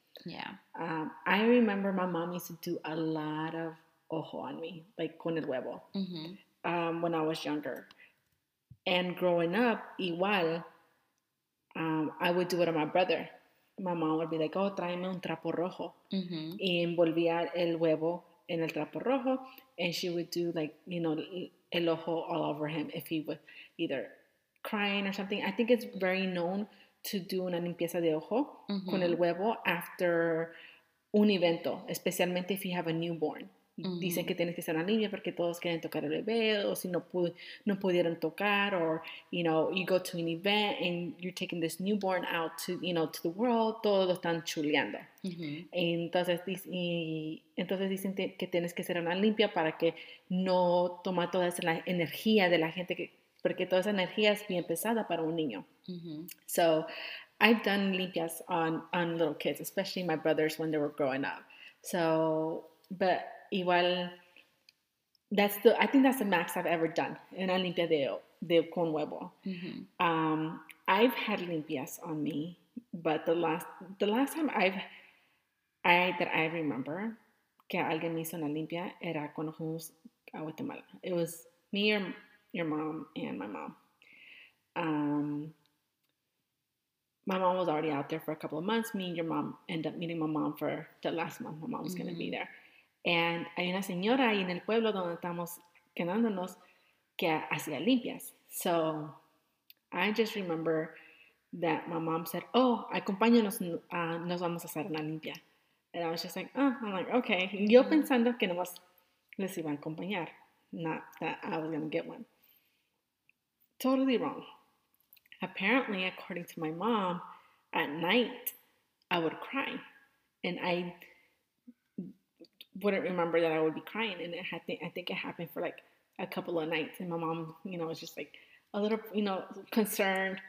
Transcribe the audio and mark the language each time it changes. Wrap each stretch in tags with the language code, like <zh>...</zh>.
<en>Yeah. I remember my mom used to do a lot of ojo on me, like</en> <es>con el huevo, mm-hmm.</es> <en>When I was younger. And growing up, igual, I would do it on my brother. My mom would be like, oh,</en> <es>tráeme un trapo rojo. Mm-hmm. Y envolvía el huevo en el trapo rojo.</es> <en>And she would do, like, el ojo all over him if he was either crying or something. I think it's very known to do</en> <es>una limpieza de ojo mm-hmm. con el huevo after un evento, especialmente</es> <en>if you have a newborn. Mm-hmm.</en> <es>Dicen que tienes que hacer una limpia porque todos quieren tocar el bebé, o si no pudieron tocar,</es> <en>or, you go to an event and you're taking this newborn out to, to the world,</en> <es>todos lo están chuleando. Mm-hmm. Entonces dicen que tienes que hacer una limpia para que no toma toda esa energía de la gente que, porque toda esa energía es bien pesada para un niño. Mm-hmm.</es> <en>So, I've done limpias on little kids, especially my brothers when they were growing up. So, but igual, I think that's the max I've ever done.</en> <es>Una limpia de con huevo. Mm-hmm.</es> <en>I've had limpias on me, but the last time I remember</en> <es>que alguien me hizo una limpia era cuando fuimos a Guatemala.</es> <en>It was me or your mom and my mom. My mom was already out there for a couple of months. Me and your mom ended up meeting my mom for the last month. My mom was mm-hmm. going to be there. And</en> <es>hay una señora ahí en el pueblo donde estamos quedándonos que hacía limpias.</es> <en>So I just remember that my mom said, oh,</en> <es>acompáñanos, nos vamos a hacer una limpia.</es> <en>And I was just like, oh, I'm like, okay. Mm-hmm.</en> <es>Yo pensando que no les iba a acompañar.</es> <en>Not that I was going to get one. Totally wrong. Apparently, according to my mom, at night I would cry and I wouldn't remember that I would be crying. And I think it happened for like a couple of nights. And my mom, was just like a little, concerned.</en>